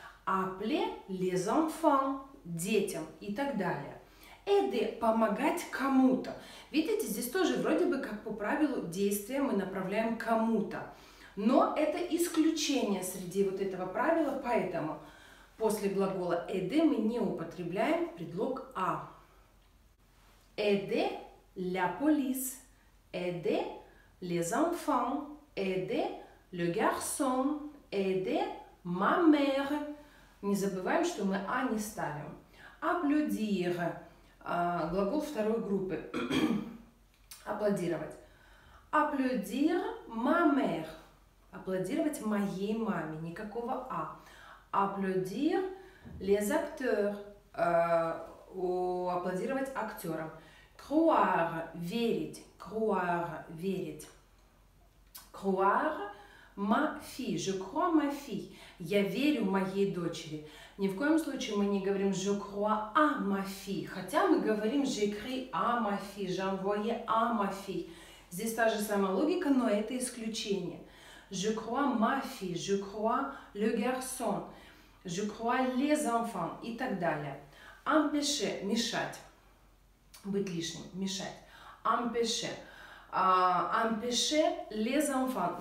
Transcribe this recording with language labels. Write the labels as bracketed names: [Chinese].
[French] Appelé les enfants. [Russian] Детям. И так далее. [French] Aider. [Russian] Помогать кому-то. Видите, здесь тоже вроде бы как по правилу действия мы направляем кому-то. Но это исключение среди вот этого правила, поэтому после глагола aider мы не употребляем предлог а. [French] Aider la police, aider les enfants, aider le garçon, aider ma mère. [Russian] Не забываем, что мы а не ставим. Applaudir, глагол второй группы. [French] Аплодировать. Applaudir ma mère. [Russian] Аплодировать моей маме, никакого а. [French] Applaudir les acteurs. [Russian] Аплодировать актерам. Croire, верить. Croire, верить. [French] Croire ma fille. Je crois ma fille. [Russian] Я верю моей дочери. Ни в коем случае мы не говорим [French] je crois à ma fille. [Russian] Хотя мы говорим [French] j'écris à ma fille. J'envoie à ma fille. [Russian] Здесь та же самая логика, но это исключение. [French] Je crois ma fille. Je crois le garçon. Je crois les enfants. И так далее. Empêcher. Мешать. [Russian] Быть лишним, мешать. [French] Empêcher. Empêcher les enfants.